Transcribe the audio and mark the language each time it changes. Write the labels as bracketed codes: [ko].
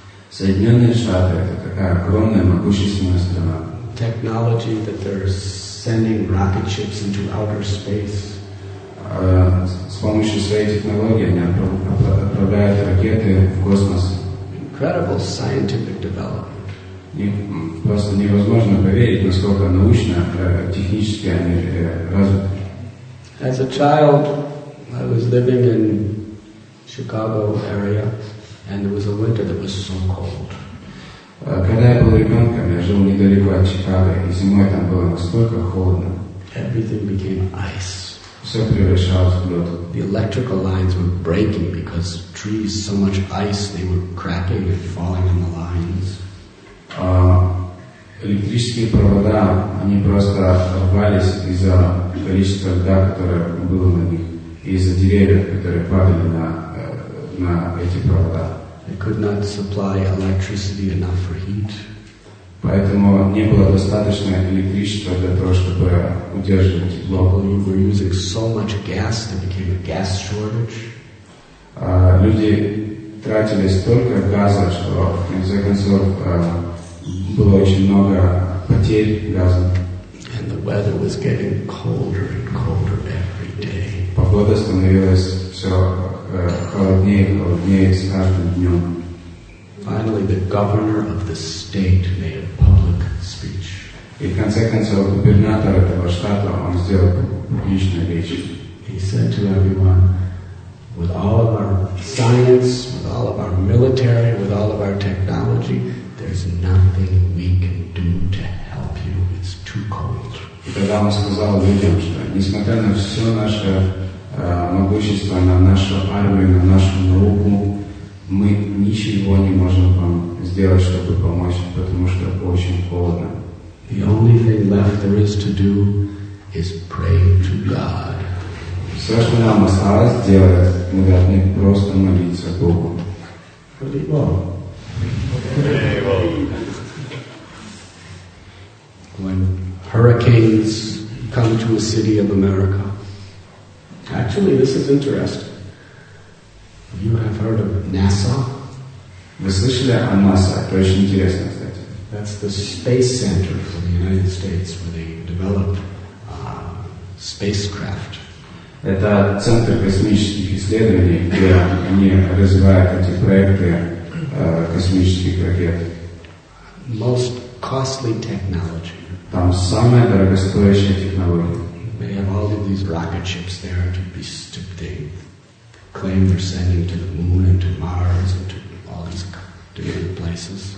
[ru] Соединенные Штаты — это такая огромная, могущественная страна. [en] Technology that they're sending rocket ships into outer space. [ru] С помощью своей технологии они отправляют ракеты в космос. [en] Incredible scientific development. [ru] Просто невозможно поверить, насколько научно, технически они развиты. [en] As a child, I was living in Chicago area, and it was a winter that was so cold. [ru] Когда я был ребенком, я жил недалеко от Чикаго, и зимой там было настолько холодно. [en] Everything became ice. [ru] Все превращалось в лед. [en] The electrical lines were breaking because trees, so much ice, they were cracking and falling on the lines. [ru] электрические провода, они просто рвались из-за количества льда, которое было на них, и из-за деревьев, которые падали на эти провода. [en] They could not supply electricity enough for heat. [ru] Поэтому не было достаточно электричества для того, чтобы удерживать тепло. [en] People were using so much gas that became a gas shortage. [ru] Люди тратили столько газа, что в конце концов было очень много потерь газа. [en] And the weather was getting colder and colder every day. [ru] Погода становилась все холоднее и холоднее с каждым днем. [en] Finally, the governor of the state made a public speech. [ru] И в конце концов губернатор этого штата он сделал публичную речь. [en] He said to everyone, with all of our science, with all of our military, with all of our technology, there's nothing we can do to help you. It's too cold. [ru] И тогда он сказал людям, что несмотря на все наше могущество, на нашу армию, на нашу науку, мы ничего не можем вам сделать, чтобы помочь, потому что очень холодно. [en] The only thing left there is to do is pray to God. [ru] Все, что нам осталось сделать, мы должны просто молиться Богу. [en] When hurricanes come to a city of America, actually, this is interesting. You have heard of NASA? [ru] Вы слышали о NASA? Это очень интересно, кстати. [en] That's the space center for the United States, where they develop spacecraft. [ru] Это центр космических исследований, где они развивают эти проекты космических ракет. [en] Most costly technology. [ru] Там самая дорогостоящая технология. [en] They have all of these rocket ships there to be stupid. Claim they're sending to the moon and to Mars and to all these different places.